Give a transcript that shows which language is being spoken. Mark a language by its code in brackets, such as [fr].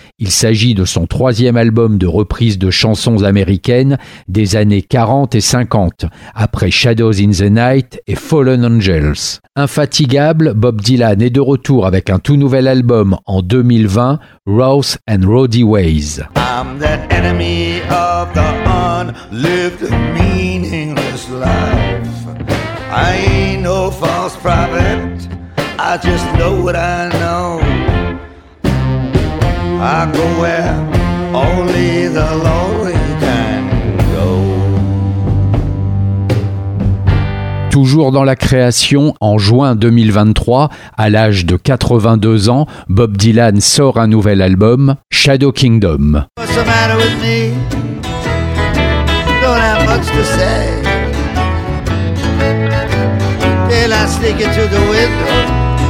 [fr] Il s'agit de son troisième album de reprise de chansons américaines des années 40 et 50, après Shadows in the Night et Fallen Angels. Infatigable, Bob Dylan est de retour avec un tout nouvel album en 2020, Rough and Rowdy Ways. [en] I'm the enemy of the unlived meaningless life. I ain't no false prophet. I just know what I know. I go where only the lonely can go. [fr] Toujours dans la création, en juin 2023, à l'âge de 82 ans, Bob Dylan sort un nouvel album, Shadow Kingdom. [en] What's the matter with me? Don't have much to say. Till I sneak into the window.